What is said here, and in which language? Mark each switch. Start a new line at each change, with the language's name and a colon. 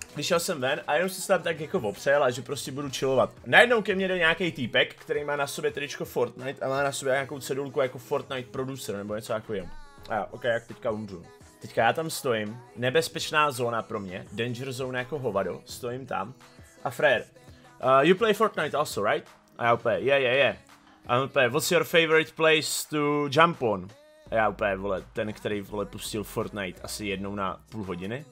Czech: Vyšel jsem ven a jenom jsem se tam tak jako opřel a že prostě budu chillovat. Najednou ke mně jde nějaký týpek, který má na sobě tričko Fortnite a má na sobě nějakou cedulku jako Fortnite producer nebo něco jako jim. A jo, okej, jak teďka umřu. Teďka já tam stojím, nebezpečná zóna pro mě,
English: danger zone
Czech: jako hovado, stojím tam. A frér,
English: you play Fortnite also, right?
Czech: A já úplně,
English: yeah.
Czech: A on úplně,
English: what's your favorite place to jump on?
Czech: A já úplně, vole, ten, který vole pustil Fortnite asi jednou na půl hodiny.